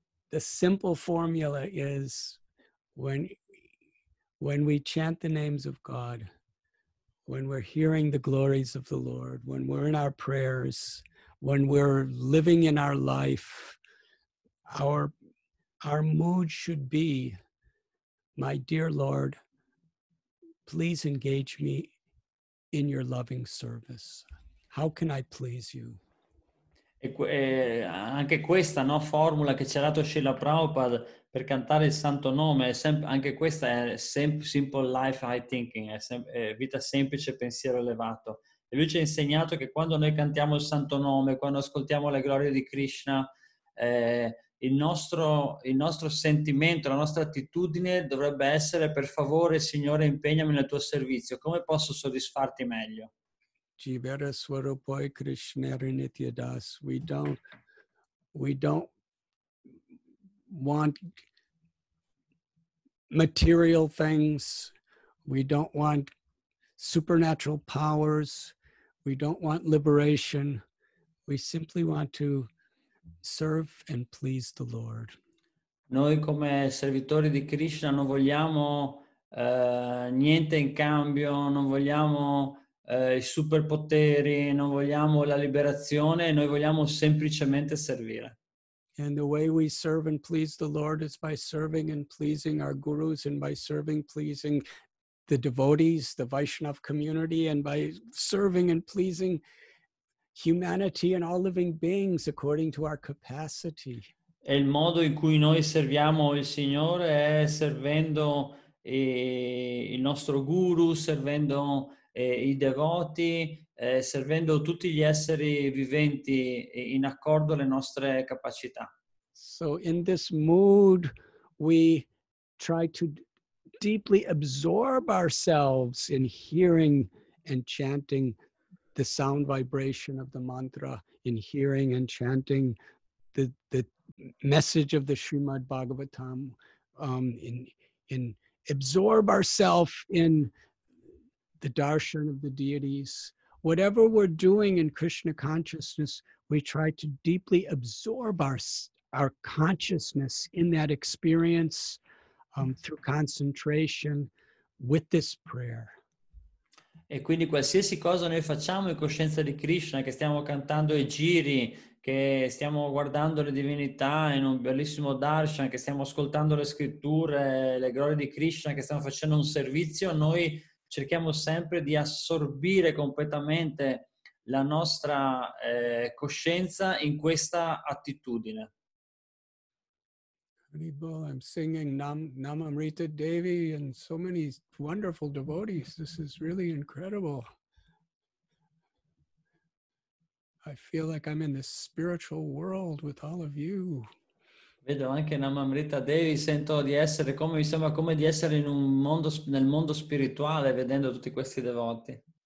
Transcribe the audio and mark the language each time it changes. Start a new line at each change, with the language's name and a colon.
English: The simple formula is when we chant the names of God, when we're hearing the glories of the Lord, when we're in our prayers, when we're living in our life, our mood should be, my dear Lord, please engage me in your loving service. How can I please you?
Italian: Anche questa, no, formula che ci ha dato Srila Prabhupada per cantare il santo nome, anche questa è
English: simple life high thinking,
Italian: è vita semplice, pensiero elevato. E lui ci ha insegnato che quando noi cantiamo il santo nome, quando ascoltiamo le glorie di Krishna, il nostro sentimento, la nostra attitudine dovrebbe essere: per favore Signore, impegnami nel tuo servizio, come posso soddisfarti meglio?
Bangla: Jivara Swarupoi Krishnari Nitya Das.
English: We don't want material things. We don't want supernatural powers. We don't want liberation. We simply want to serve and please the Lord.
Italian: Noi come servitori di Krishna non vogliamo niente in cambio, non vogliamo i superpoteri, non vogliamo la liberazione, noi vogliamo semplicemente servire.
English: And the way we serve and please the Lord is by serving and pleasing our gurus, and by serving, pleasing the devotees, the Vaishnava community, and by serving and pleasing humanity and all living beings according to our capacity.
Italian: E il modo in cui noi serviamo il Signore è servendo il nostro guru, servendo i devoti, servendo tutti gli esseri viventi in accordo alle nostre capacità.
English: So in this mood we try to deeply absorb ourselves in hearing and chanting the sound vibration of the mantra, in hearing and chanting the message of the Srimad Bhagavatam, in absorb ourselves in the darshan of the deities. Whatever we're doing in Krishna consciousness, we try to deeply absorb our consciousness in that experience through concentration with this prayer.
Italian: E quindi qualsiasi cosa noi facciamo in coscienza di Krishna, che stiamo cantando i giri, che stiamo guardando le divinità in un bellissimo darshan, che stiamo ascoltando le scritture, le glorie di Krishna, che stiamo facendo un servizio, noi cerchiamo sempre di assorbire completamente la nostra coscienza in questa attitudine.
English: I'm singing Namamrita Devi and so many wonderful devotees. This is really incredible. I feel like I'm in this spiritual world with all of you.
Italian: Vedo anche Namamrita Devi, sento di essere come mi sembra come di essere in un mondo nel mondo spirituale vedendo tutti questi devoti.